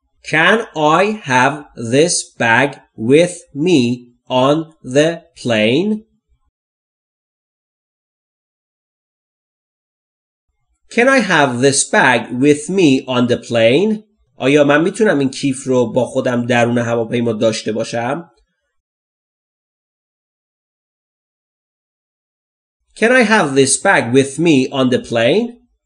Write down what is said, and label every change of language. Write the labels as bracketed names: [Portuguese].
[English] Can I have this bag with me on the plane? Can I have this bag with me on the plane? [Persian] آیا من میتونم این کیف رو با خودم درون هواپیما داشته باشم؟ [English] Can I have this bag with me on the plane?